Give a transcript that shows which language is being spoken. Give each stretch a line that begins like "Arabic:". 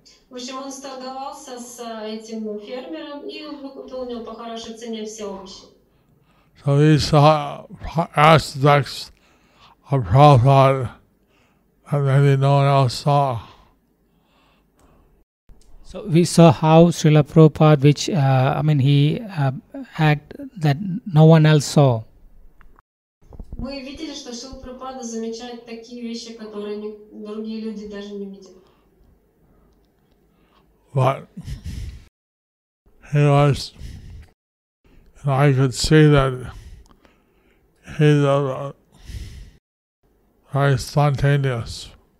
Russian: В общем, он сторговался с этим фермером и выкупил у него по хорошей цене все овощи.
English: So these aspects of Prabhupada that maybe no one else saw. So we saw how Srila Prabhupada, act that no one else saw.
Russian: Мы видели, что Шрила Прабхупада замечает такие вещи, которые другие люди даже не видят.
English: But he was, and I could see that he's very spontaneous.